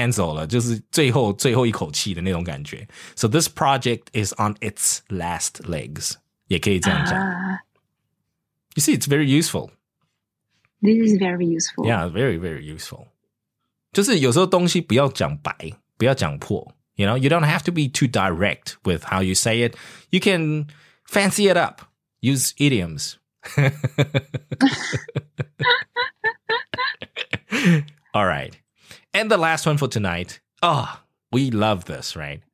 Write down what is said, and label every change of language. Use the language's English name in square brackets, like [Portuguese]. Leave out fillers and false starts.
[Chinese] 你们公司的专案啊,然后做的就是这个应该差不多被cancel了,就是最后一口气的那种感觉. [English] So this project is on its last legs. [Chinese] 也可以这样讲. [English] You see, it's very useful. This is very useful. Yeah, very, very useful. [Chinese] 就是有时候东西不要讲白。不要讲破, [English] you know, you don't have to be too direct with how you say it. You can fancy it up. Use idioms. All right. And the last one for tonight. Oh, we love this, right?